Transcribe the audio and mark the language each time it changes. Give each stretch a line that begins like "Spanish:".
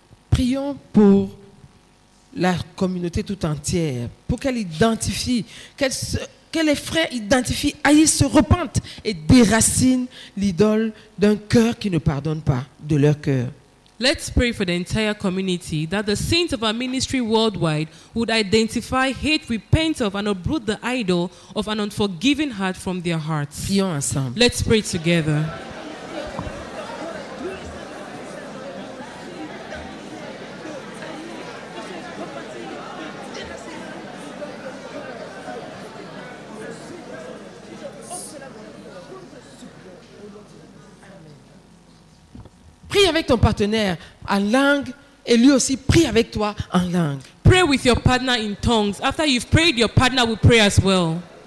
French: Prions pour la communauté tout entière, pour qu'elle identifie, que les frères identifient, haïssent, se repentent et déracinent l'idole d'un cœur qui ne pardonne pas de leur cœur.
English: Let's pray for the entire community that the saints of our ministry worldwide would identify, hate, repent of and uproot the idol of an unforgiving heart from their hearts.
French: Prions ensemble.
English: Let's pray together.
French: Prie avec ton partenaire en langue et lui aussi prie avec toi en langue.
English: Pray with your partner in tongues. After you've prayed, your partner will pray as well.